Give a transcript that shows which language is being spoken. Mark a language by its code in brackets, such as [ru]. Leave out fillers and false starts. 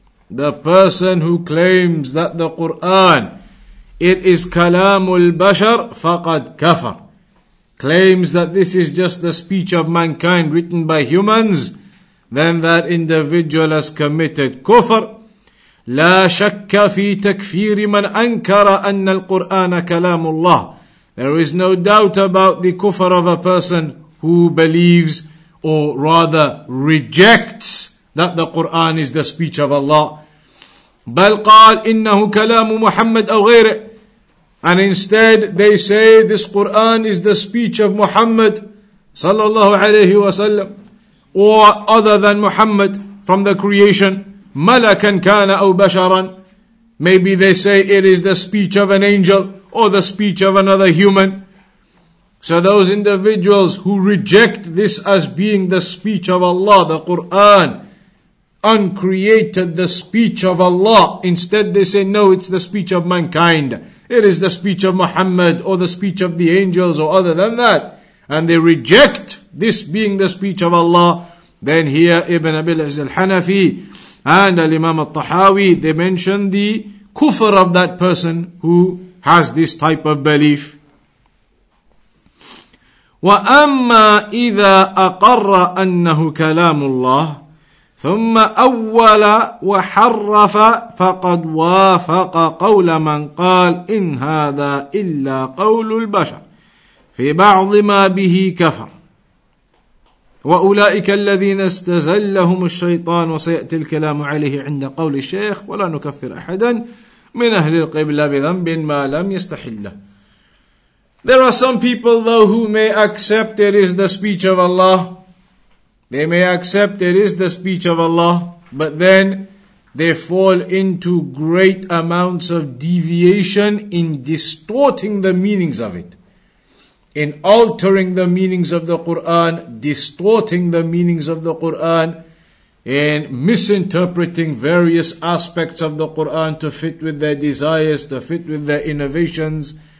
[en] The person who claims that the Qur'an, it is [ar] كَلَامُ الْبَشَرِ فَقَدْ كَفَرَ, [en] claims that this is just the speech of mankind written by humans, then that individual has committed kufr. [ar] لا شك في تكفير من أنكر أن القرآن كلام الله. [en] There is no doubt about the kufr of a person who believes, or rather rejects, that the Quran is the speech of Allah. [ar] بل قال إنه كلام محمد أو غيره. [en] And instead they say this Qur'an is the speech of Muhammad sallallahu alayhi wa sallam, or other than Muhammad from the creation, [ar] malakan kana aw basharan. [en] Maybe they say it is the speech of an angel or the speech of another human. So those individuals who reject this as being the speech of Allah, the Qur'an, uncreated, the speech of Allah, instead they say, no, it's the speech of mankind, it is the speech of Muhammad, or the speech of the angels, or other than that, and they reject this being the speech of Allah, then here Ibn Abi al-Izz al-Hanafi and Al-Imam al-Tahawi, they mention the kufr of that person who has this type of belief. [ar] وَأَمَّا إِذَا أَقَرَّ أَنَّهُ كَلَامُ اللَّهِ ثم أول وحرف فقد وافق قول من قال إن هذا إلا قول البشر في بعض ما به كفر وأولئك الذين استزلهم الشيطان وسيأتي الكلام عليه عند قول الشيخ ولا نكفر أحدا من أهل القبلة بذنب ما لم يستحله. [en] There are some people though who may accept it is the speech of Allah. They may accept it is the speech of Allah, but then they fall into great amounts of deviation in distorting the meanings of it, in altering the meanings of the Qur'an, distorting the meanings of the Qur'an, in misinterpreting various aspects of the Qur'an to fit with their desires, to fit with their innovations.